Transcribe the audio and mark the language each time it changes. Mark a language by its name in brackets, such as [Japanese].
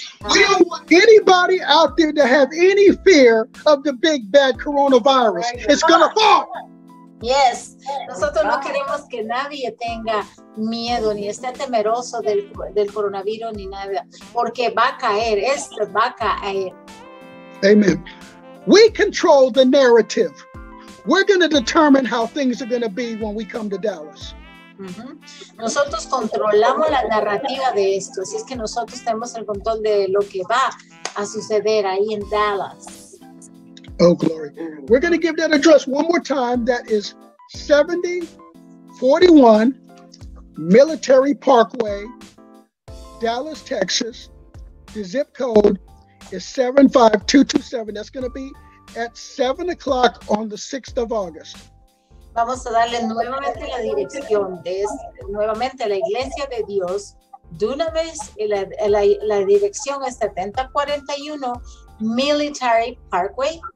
[English] We don't want anybody out there to have any fear of the big bad coronavirus. It's going to fall. Yes. [Spanish] Nosotros no queremos que nadie tenga miedo ni esté temeroso del coronavirus ni nada. Porque va a caer. Esto va a caer. Amen. [English] We control the narrative. We're going to determine how things are going to be when we come to Dallas. Mm-hmm. [Spanish] Nosotros controlamos la narrativa de esto. Así es que nosotros tenemos el control de lo que va a suceder ahí en Dallas. [English] Oh, glory. We're going to give that address one more time. That is 7041 Military Parkway, Dallas, Texas. The zip code is 75227. That's going to be at 7 o'clock on the 6th of August. [Spanish] Vamos a darle nuevamente la dirección de nuevamente la Iglesia de Dios. De una vez, la dirección es 7041 Military Parkway.